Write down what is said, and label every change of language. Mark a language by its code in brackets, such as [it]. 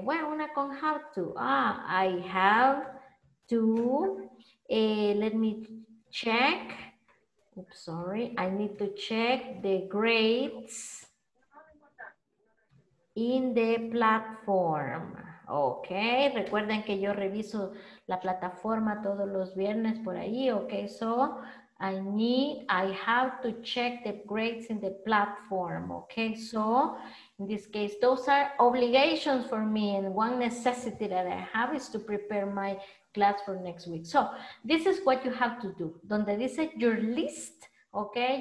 [en] Well, una con how to. Ah, I have to, let me check. Oops, sorry. I need to check the grades in the platform. [es] Okay, recuerden que yo reviso la plataforma todos los viernes por ahí, okay? [en] So, I have to check the grades in the platform, okay? So, in this case, those are obligations for me, and one necessity that I have is to prepare my class for next week. So, this is what you have to do. [es] Donde dice [en] your list, okay?